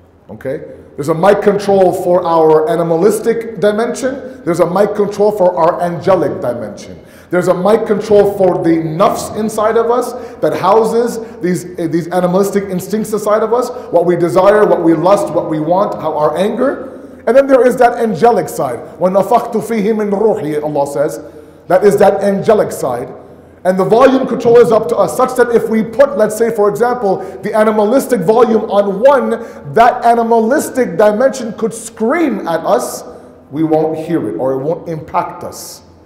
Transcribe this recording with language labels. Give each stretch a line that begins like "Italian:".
English: Okay? There's a mic control for our animalistic dimension, There's a mic control for our angelic dimension. There's a mic control for the nafs inside of us that houses these animalistic instincts inside of us, what we desire, what we lust, what we want, how our anger. And then there is that angelic side.
Arabic: وَنَفَخْتُ فِيهِ مِنْ رُوحِي,
English: Allah says. That is that angelic side. And the volume control is up to us, such that if we put, let's say for example, the animalistic volume on one, that animalistic dimension could scream at us, we won't hear it, or it won't impact us.